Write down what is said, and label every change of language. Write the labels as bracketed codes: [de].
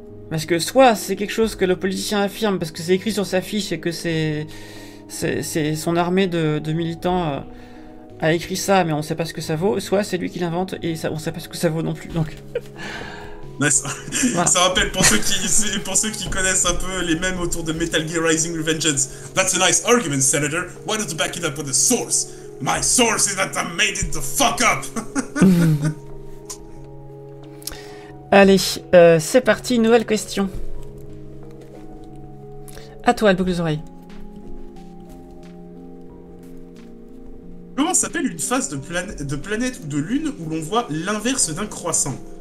[fr] Parce que soit c'est quelque chose que le politicien affirme parce que c'est écrit sur sa fiche et que c'est son armée de militants a écrit ça, mais on sait pas ce que ça vaut, soit c'est lui qui l'invente et ça, on sait pas ce que ça vaut non plus, donc... Ça rappelle pour ceux qui connaissent un peu les mêmes autour de Metal Gear Rising Revengeance. [en] That's a nice argument, Senator. Why don't you back it up with a source? My source is that I made it the fuck up. [fr] Allez, c'est parti, nouvelle question. À toi, le boucle d'oreille. Comment s'appelle une phase de planète ou de lune où l'on voit l'inverse d'un croissant?